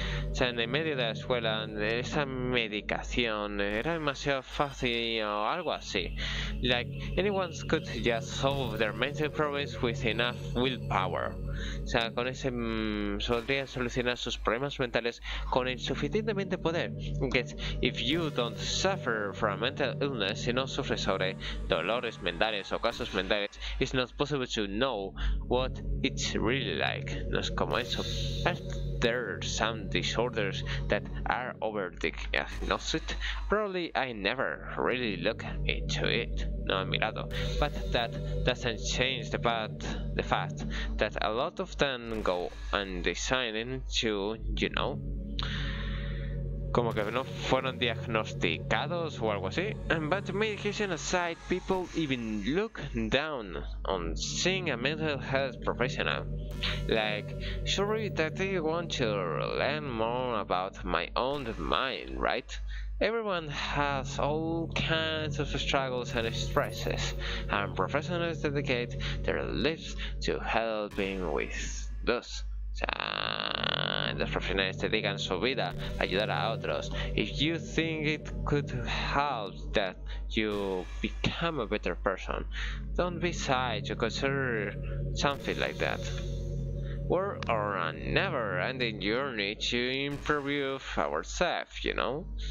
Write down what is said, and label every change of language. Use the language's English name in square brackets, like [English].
[Spanish] O sea, en el medio de la escuela, esa medicación era demasiado fácil o algo así. [English] Like, anyone could just solve their mental problems with enough willpower. [Spanish] O sea, con ese podrían solucionar sus problemas mentales con el suficientemente poder. [English] Because if you don't suffer from mental illness, [Spanish] si no sufres sobre dolores mentales o casos mentales, [English] it's not possible to know what it's really like. [Spanish] No es como eso. [English] There are some disorders that are over diagnosed. Probably I never really look into it. [Spanish] No he mirado. [English] But that doesn't change the fact that a lot of them go undesigned into, you know. [Spanish] Como que no fueron diagnosticados o algo así. [English] But medication aside, people even look down on seeing a mental health professional. Like, surely that I want to learn more about my own mind, right? Everyone has all kinds of struggles and stresses, and professionals dedicate their lives to helping with those. [Spanish] O sea, los profesionales dedican su vida a ayudar a otros. [English] If you think it could help that you become a better person, don't be shy to consider something like that. We're on a never-ending journey to improve ourselves, you know?